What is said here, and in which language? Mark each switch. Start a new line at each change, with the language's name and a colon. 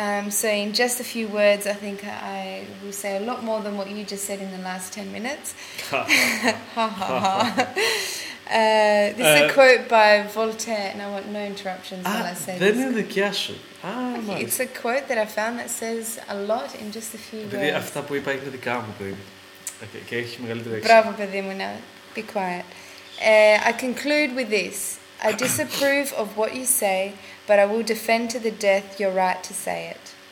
English: So in just a few words, I think I will say a lot more than what you just said in the last 10 minutes. This is a quote by Voltaire, and I want no interruptions while I say this.
Greek: Δεν είναι δικιά σου.
English: It's a quote that I found that says a lot in just a few words.
Greek: Επειδή αυτά που είπα είναι δικά μου, παιδί. Και έχει μεγαλύτερη έξι. Μπράβο, παιδί μου, να.
English: Be quiet. I conclude with this. I disapprove of what you say, but I will defend to the death your right to say it.